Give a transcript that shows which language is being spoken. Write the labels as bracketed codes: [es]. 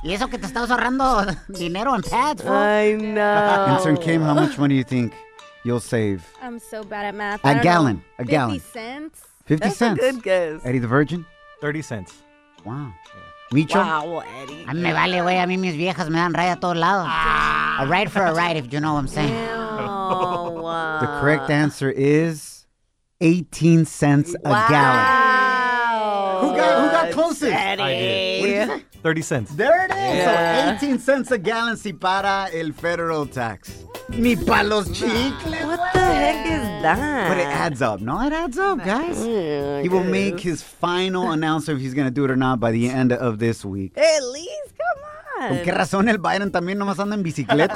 [es] Y eso que te estabas ahorrando dinero en pads, bro. [en] I know. Intern Kim, how much money do you think you'll save? I'm so bad at math. A gallon. 50 cents? 50 that's cents. That's a good guess. Eddie the Virgin? 30 cents. Wow. Micho? Wow, Eddie. [es] A mí me vale, güey. A mí mis viejas me dan ride a todos lados. Ah. [en] A ride for a ride, if you know what I'm saying. Ew. The correct answer is 18 cents a gallon. Wow. Who got closest? Eddie. I did. 30 cents. There it is. Yeah. So 18 cents a gallon [es] si para el [en] federal tax. [es] Ni pa los chicles. [en] What the heck is that? But it adds up. No, it adds up, guys. He will make his final announcement if he's going to do it or not by the end of this week. At least, come on. [es] ¿Con qué razón el Biden también nomás anda en bicicleta?